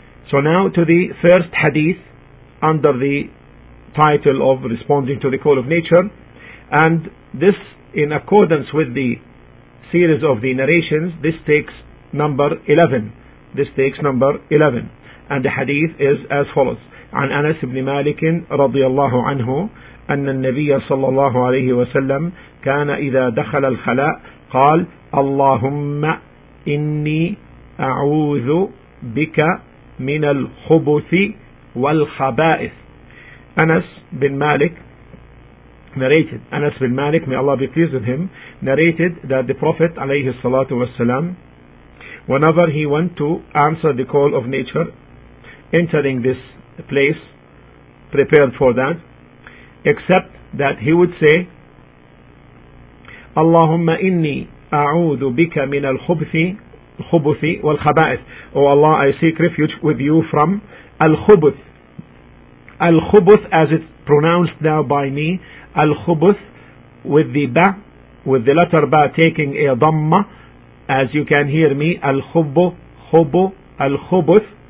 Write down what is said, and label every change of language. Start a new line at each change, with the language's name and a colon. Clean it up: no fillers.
English: So now to the first hadith under the title of responding to the call of nature, and this in accordance with the series of the narrations, this takes number 11. This takes number 11. And the hadith is as follows.
Arabic: عن أنس بن مالك رضي الله عنه أن النبي صلى الله عليه وسلم كان إذا دخل الخلاء قال اللهم إني أعوذ بك من الخبث والخبائث.
English: Anas bin Malik narrated, Anas bin Malik, may Allah be pleased with him, narrated that the Prophet
Arabic: عليه الصلاة والسلام,
English: whenever he went to answer the call of nature, entering this place prepared for that, except that he would say,
Arabic: اللهم إني أعوذ بك من الخبث والخبائث.
English: O Allah, I seek refuge with you from الخبث. الخبث, as it's pronounced now by me, الخبث with the ba, with the letter ba taking a dhamma, as you can hear me, الخبث.